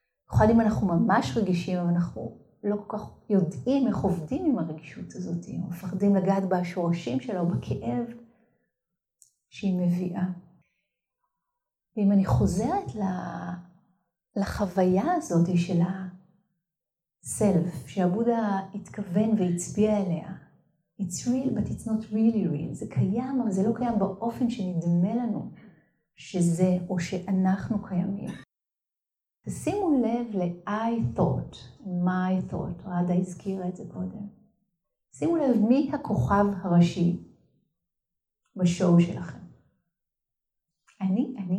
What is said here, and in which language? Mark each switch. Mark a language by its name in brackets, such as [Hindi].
[Hebrew] אחד אם אנחנו ממש רגישים, אבל אנחנו לא כל כך יודעים איך עובדים עם הרגישות הזאת, או מפחדים לגעת בשורשים שלה, או בכאב שהיא מביאה. ואם אני חוזרת לחוויה הזאת של הסלף, שהבודה התכוון והצביע אליה. [English] It's real, but it's not really real. [Hebrew] זה קיים, אבל זה לא קיים באופן שנדמה לנו שזה או שאנחנו קיימים. תשימו לב ל- [English] I thought, my thought, [Hebrew] רדה הזכירה את זה קודם. שימו לב מי הכוכב הראשי בשואו שלכם. אני.